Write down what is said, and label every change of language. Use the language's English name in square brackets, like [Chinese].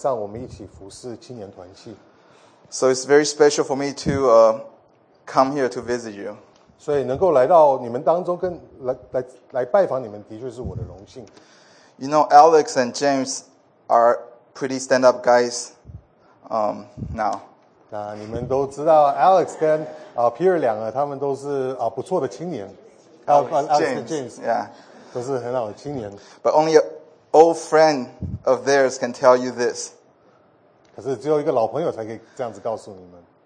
[Chinese] 我记得当中有很多弟兄姐妹以前在星期六的晚上我们一起服侍青年团契。 [English] So it's very special for me to come here to visit you. [Chinese] 所以能够来到你们当中跟来拜访你们的确是我的荣幸。 [English] You know, Alex and James are pretty stand-up guys now. [Chinese] 那你们都知道 Alex 跟 Pierre 两个他们都是 不错的青年。 [English] Alex and James. Yeah. [Chinese] 都是很好的青年。 [English] But only an old friend of theirs can tell you this. [Chinese] 可是只有一个老朋友才可以这样子告诉你们。